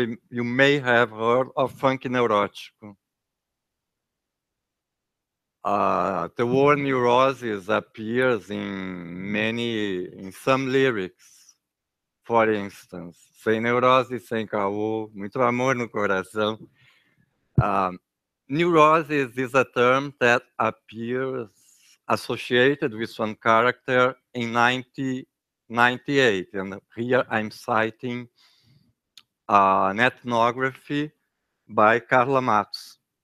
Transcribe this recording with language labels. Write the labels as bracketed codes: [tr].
[en] You may have heard of funky neurótico. The word neurosis appears in some lyrics, for instance. [pt] Sem neurose, sem caô, muito amor no coração. [en] Neurosis is a term that appears associated with one character in 1998. And here I'm citing an ethnography by Carla Matos.